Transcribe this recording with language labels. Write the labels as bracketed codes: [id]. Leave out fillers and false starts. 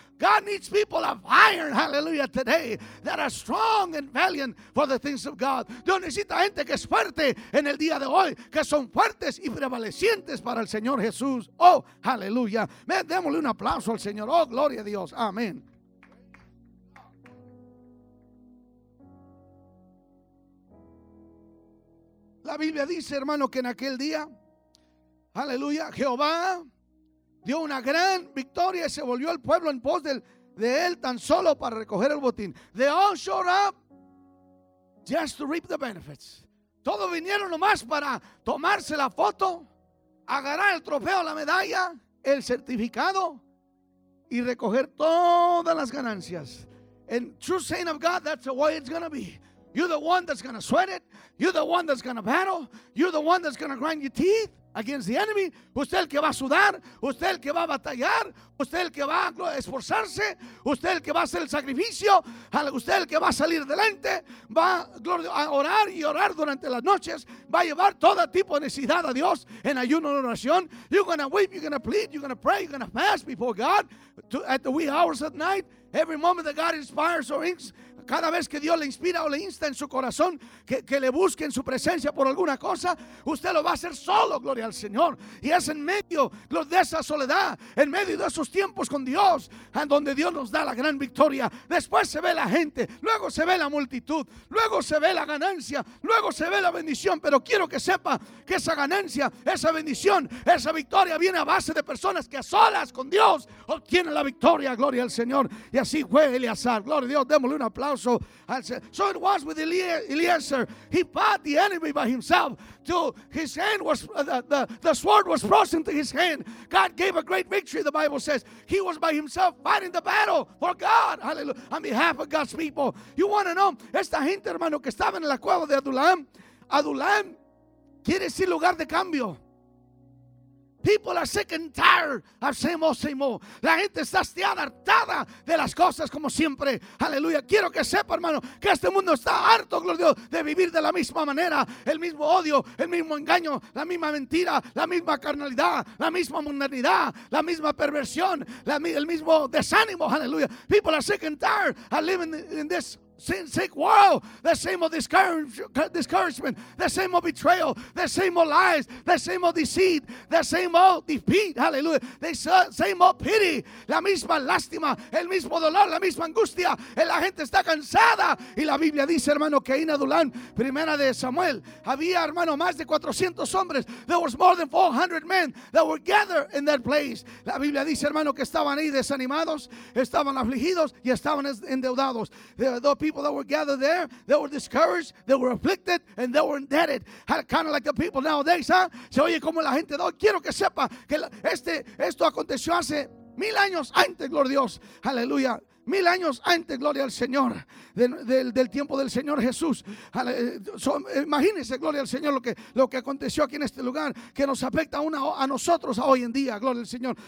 [en] God needs people of iron, hallelujah, today, that are strong and valiant for the things of God. [es] Dios necesita gente que es fuerte en el día de hoy, que son fuertes y prevalecientes para el Señor Jesús. Oh, hallelujah. Démosle un aplauso al Señor. Oh, gloria a Dios. Amén. La Biblia dice, hermano, que en aquel día, hallelujah, Jehová dio una gran victoria y se volvió el pueblo en pos de él tan solo para recoger el botín. [en] They all showed up just to reap the benefits. [es] Todos vinieron nomás para tomarse la foto, agarrar el trofeo, la medalla, el certificado y recoger todas las ganancias. [en] And true saint of God, that's the way it's going to be. You're the one that's going to sweat it. You're the one that's going to battle. You're the one that's going to grind your teeth against the enemy. [es] Usted el que va a sudar. Usted el que va a batallar. Usted el que va a esforzarse. Usted el que va a hacer el sacrificio. Usted el que va a salir adelante. Va a orar y orar durante las noches. Va a llevar todo tipo de necesidad a Dios en ayuno y oración. [en] You're going to weep. You're going to plead. You're going to pray. You're going to fast before God at the wee hours at night. Every moment that God inspires or inks. [es] Cada vez que Dios le inspira o le insta en su corazón que le busque en su presencia por alguna cosa, usted lo va a hacer solo, gloria al Señor. Y es en medio de esa soledad, en medio de esos tiempos con Dios, en donde Dios nos da la gran victoria. Después se ve la gente, luego se ve la multitud, luego se ve la ganancia, luego se ve la bendición. Pero quiero que sepa que esa ganancia, esa bendición, esa victoria viene a base de personas que a solas con Dios obtienen la victoria, gloria al Señor. Y así fue Eleazar, gloria a Dios, démosle un aplauso. [en] So it was with Eliezer. He fought the enemy by himself till his hand was the sword was frozen to his hand. God gave a great victory, the Bible says. He was by himself fighting the battle for God. Hallelujah. On behalf of God's people. You want to know? [es] Esta gente, hermano, que estaba en la cueva de Adulam. Adulam quiere decir lugar de cambio. [en] People are sick and tired of same old, same old. [es] La gente está hastiada, hartada de las cosas como siempre. Aleluya. Quiero que sepa, hermano, que este mundo está harto, gloria a Dios, de vivir de la misma manera. El mismo odio, el mismo engaño, la misma mentira, la misma carnalidad, la misma mundanidad, la misma perversión, el mismo desánimo. Aleluya. [en] People are sick and tired of living in this sick world, the same of discouragement, the same of betrayal, the same of lies, the same of deceit, the same of defeat. [es] Hallelujah. [en] The same of pity, [es] la misma lástima, el mismo dolor, la misma angustia. La gente está cansada. Y la Biblia dice, hermano, que en Adulán, primera de Samuel, había, hermano, más de 400 hombres. [en] There was more than 400 men that were gathered in that place. [es] La Biblia dice, hermano, que estaban ahí desanimados, estaban afligidos y estaban endeudados. [en] People that were gathered there, they were discouraged, they were afflicted, and they were indebted. Kind of like the people nowadays, huh? [es] Se oye como la gente. Quiero que sepa que esto aconteció hace mil años antes, gloria a Dios. Aleluya. Mil años antes, gloria al Señor, del tiempo del Señor Jesús. Imagínense, gloria al Señor, lo que aconteció aquí en este lugar, que nos afecta a nosotros a hoy en día, gloria al Señor.